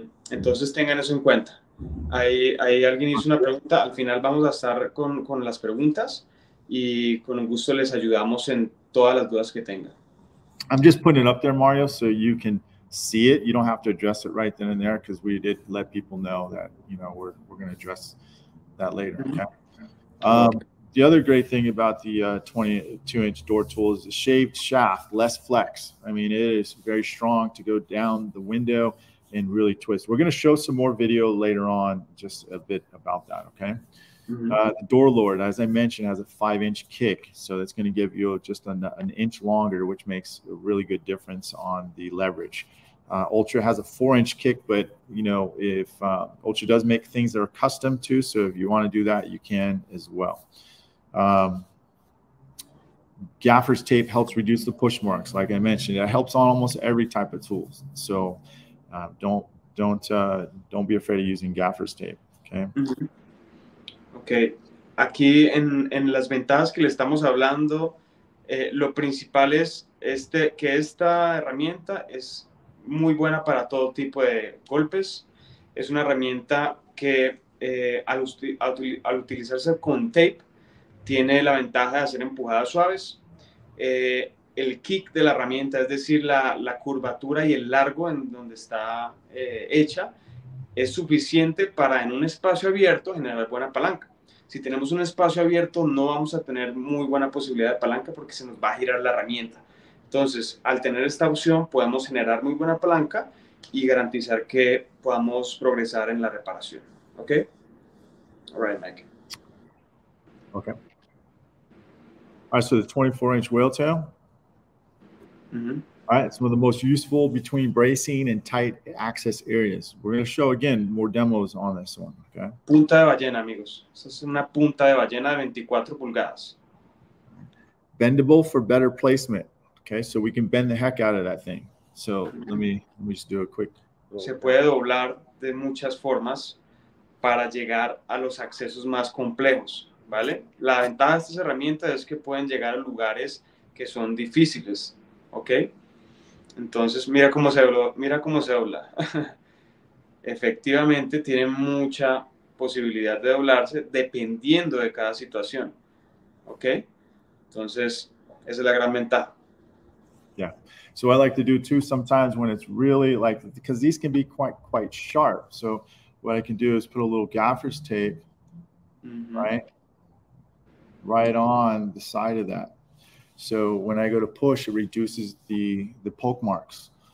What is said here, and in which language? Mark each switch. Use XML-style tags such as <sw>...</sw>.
<es>Entonces, tengan eso en cuenta. Ahí alguien hizo una pregunta, al final vamos a estar con las preguntas y con un gusto les ayudamos en todas las dudas que tenga.</es> <en>I'm just putting it up there, Mario, so you can see it. You don't have to address it right then and there, because we did let people know that, you know, we're going to address that later. Okay. The other great thing about the 22-inch door tool is the shaved shaft, less flex. I mean, it is very strong to go down the window and really twist. We're going to show some more video later on just a bit about that, okay? The door lord, as I mentioned, has a 5-inch kick, so that's going to give you just an inch longer, which makes a really good difference on the leverage. Ultra has a 4-inch kick, but you know, if Ultra does make things that are custom too, so if you want to do that, you can as well. Gaffer's tape helps reduce the push marks. Like I mentioned, it helps on almost every type of tools. So don't be afraid of using gaffer's tape. Okay. Mm-hmm. Okay.</en> <es>Aquí en las ventajas que le estamos hablando, lo principal es que esta herramienta es muy buena para todo tipo de golpes. Es una herramienta que al utilizarse con tape tiene la ventaja de hacer empujadas suaves. El kick de la herramienta, es decir, la curvatura y el largo en donde está hecha, es suficiente para en un espacio abierto generar buena palanca. Si tenemos un espacio abierto, no vamos a tener muy buena posibilidad de palanca porque se nos va a girar la herramienta. Entonces, al tener esta opción, podemos generar muy buena palanca y garantizar que podamos progresar en la reparación.</es> <en>¿Ok? All right, Mike. Ok. All right, so the 24-inch whale tail. Mm-hmm. All right, some of the most useful between bracing and tight access areas. We're going to show, again, more demos on this one, okay?</en> <es>Punta de ballena, amigos. Esa es una punta de ballena de 24 pulgadas.</es> <en>Bendable for better placement. Okay, so we can bend the heck out of that thing. So let me just do a quick.</en> <es>Se puede doblar de muchas formas para llegar a los accesos más complejos. ¿Vale? La ventaja de estas herramientas es que pueden llegar a lugares que son difíciles, ¿ok? Entonces, mira cómo se dobla. Efectivamente, tiene mucha posibilidad de doblarse dependiendo de cada situación, ¿ok? Entonces, esa es la gran ventaja.</es> <en>Yeah. So I like to do too sometimes when it's really like, because these can be quite sharp. So what I can do is put a little gaffer's tape, mm-hmm. Right on the side of that. So when I go to push, it reduces the poke marks.</en>